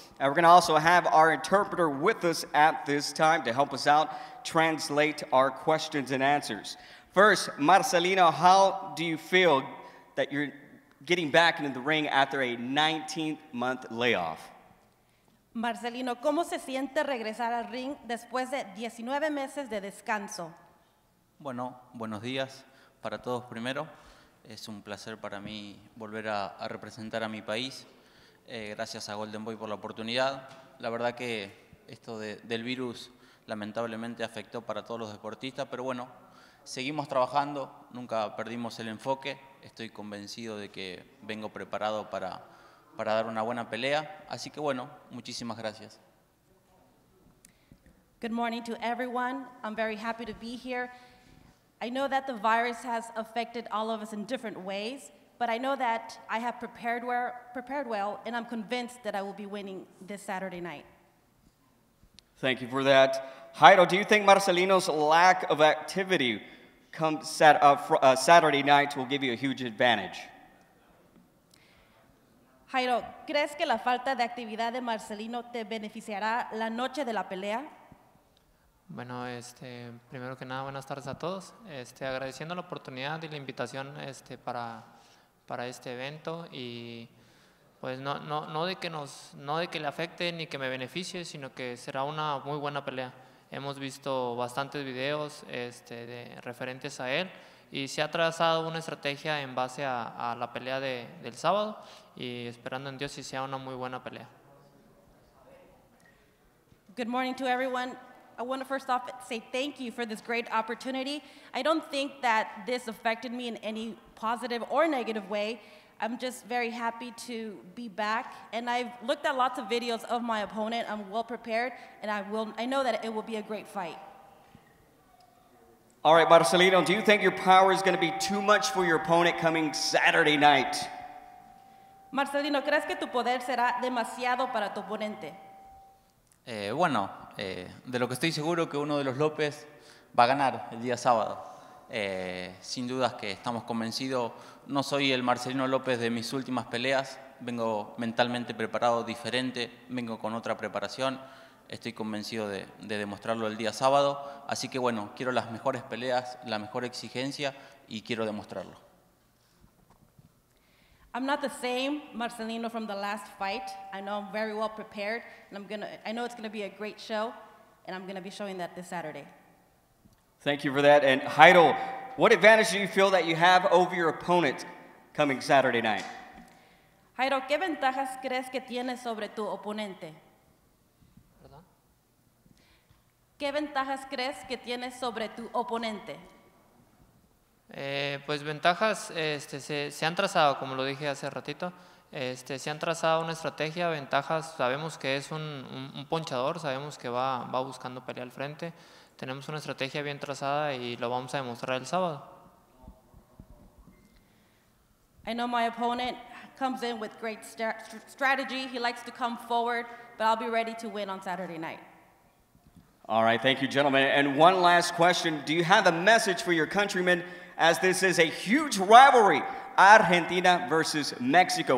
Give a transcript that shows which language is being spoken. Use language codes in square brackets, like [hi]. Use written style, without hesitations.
[en] And we're going to also have our interpreter with us at this time to help us out, translate our questions and answers. First, Marcelino, how do you feel that you're getting back into the ring after a 19-month layoff? [es] Marcelino, ¿cómo se siente regresar al ring después de 19 meses de descanso? Bueno, buenos días para todos primero. Es un placer para mí volver a representar a mi país. Gracias a Golden Boy por la oportunidad. La verdad que esto del virus lamentablemente afectó para todos los deportistas, pero bueno, seguimos trabajando, nunca perdimos el enfoque. Estoy convencido de que vengo preparado para dar una buena pelea. Así que bueno, muchísimas gracias. [en] Good morning to everyone. I'm very happy to be here. I know that the virus has affected all of us in different ways, but I know that I have prepared well, and I'm convinced that I will be winning this Saturday night. Thank you for that. Jairo, do you think Marcelino's lack of activity come Saturday night will give you a huge advantage? [es] Jairo, ¿crees que la falta de actividad de Marcelino te beneficiará la noche de la pelea? Bueno, primero que nada, buenas tardes a todos. Agradeciendo la oportunidad y la invitación para este evento. Y pues no de que le afecte ni que me beneficie, sino que será una muy buena pelea. Hemos visto bastantes videos de referentes a él y se ha trazado una estrategia en base a la pelea del sábado y esperando en Dios si sea una muy buena pelea. [en] Good morning to everyone. I want to first off say thank you for this great opportunity. I don't think that this affected me in any positive or negative way. I'm just very happy to be back. And I've looked at lots of videos of my opponent. I'm well prepared, and I know that it will be a great fight. All right, Marcelino, do you think your power is going to be too much for your opponent coming Saturday night? [es] Marcelino, ¿crees que tu poder será demasiado para tu oponente? De lo que estoy seguro que uno de los López va a ganar el día sábado. Sin dudas que estamos convencidos. No soy el Marcelino López de mis últimas peleas. Vengo mentalmente preparado diferente. Vengo con otra preparación. Estoy convencido de demostrarlo el día sábado. Así que bueno, quiero las mejores peleas, la mejor exigencia y quiero demostrarlo. [en] I'm not the same Marcelino from the last fight. I know I'm very well prepared, and I know it's going to be a great show, and I'm going to be showing that this Saturday. Thank you for that. And Heidel, what advantage do you feel that you have over your opponent coming Saturday night? [es] Heidel, ¿qué ventajas crees que tienes sobre tu oponente? ¿Perdón? ¿Qué ventajas crees que tienes sobre tu oponente? Pues ventajas se han trazado, como lo dije hace ratito, se han trazado una estrategia. Ventajas, sabemos que es un ponchador, sabemos que va buscando pelear al frente. Tenemos una estrategia bien trazada y lo vamos a demostrar el sábado. [en] I know my opponent comes in with great strategy. He likes to come forward, but I'll be ready to win on Saturday night. All right, thank you, gentlemen. And one last question. Do you have a message for your countrymen, as this is a huge rivalry, Argentina versus Mexico?